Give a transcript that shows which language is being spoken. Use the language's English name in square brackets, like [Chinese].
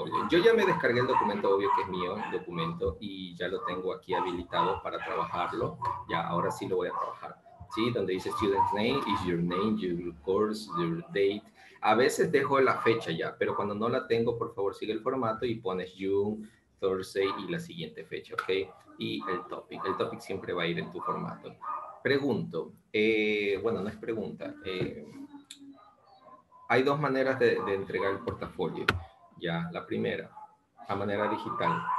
[Spanish] Yo ya me descargué el documento, obvio que es mío, el documento, y ya lo tengo aquí habilitado para trabajarlo. Ya, ahora sí lo voy a trabajar. ¿Sí? Donde dice [English] student name, is your name, your course, your date. [Spanish] A veces dejo la fecha ya, pero cuando no la tengo, por favor, sigue el formato y pones June Thursday y la siguiente fecha, ¿ok? Y el topic. El topic siempre va a ir en tu formato. Pregunto. Bueno, no es pregunta. Hay dos maneras de entregar el portafolio. Ya, la primera, a manera digital.